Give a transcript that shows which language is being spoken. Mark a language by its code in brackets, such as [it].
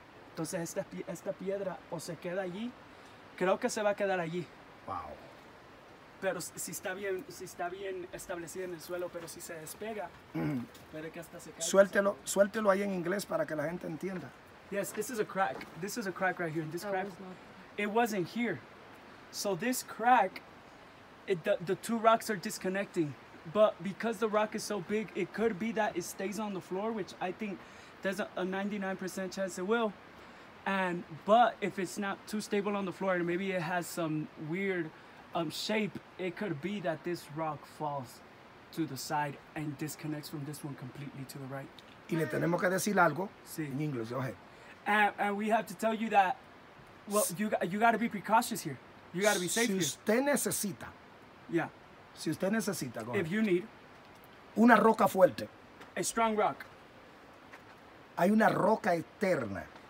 [es] Entonces esta piedra o se queda allí. Creo que se va a quedar allí. Wow. Pero si está bien establecida en el suelo, pero si se despega, puede que hasta se caiga. Suéltelo ahí en inglés para que la gente entienda. [en] Yes, this is a crack. This is a crack right here. This crack, it wasn't here. So this crack the two rocks are disconnecting. But because the rock is so big, it could be that it stays on the floor, which I think there's a 99% chance it will. And but if it's not too stable on the floor and maybe it has some weird shape, it could be that this rock falls to the side and disconnects from this one completely to the right. [es] Y le tenemos que decir algo en inglés, okay. [en] And we have to tell you that, well, you got to be precautious here. You got to be safe here. [es] Si usted necesita. [en] Yeah. [es] Si usted necesita, [en] go if ahead. You need. [es] Una roca fuerte. [en] A strong rock. [es] Hay una roca eterna.